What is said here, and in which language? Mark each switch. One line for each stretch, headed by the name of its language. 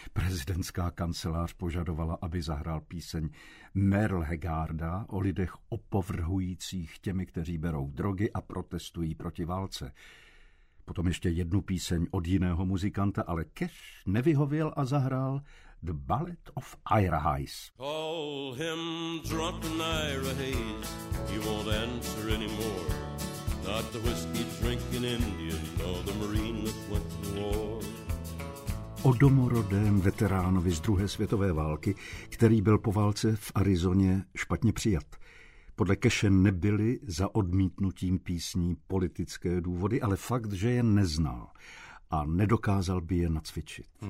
Czech: Prezidentská kancelář požadovala, aby zahrál píseň Merle Haggarda o lidech opovrhujících těmi, kteří berou drogy a protestují proti válce. Potom ještě jednu píseň od jiného muzikanta, ale Cash nevyhověl a zahrál The Ballad of Ira Hayes.
English: Call him drunk and Ira Hayes, he won't answer anymore. Not the whiskey drinking Indian or the Marine that went to war.
Czech: O domorodém veteránovi z druhé světové války, který byl po válce v Arizoně špatně přijat. Podle Cashe nebyly za odmítnutím písní politické důvody, ale fakt, že je neznal a nedokázal by je nacvičit.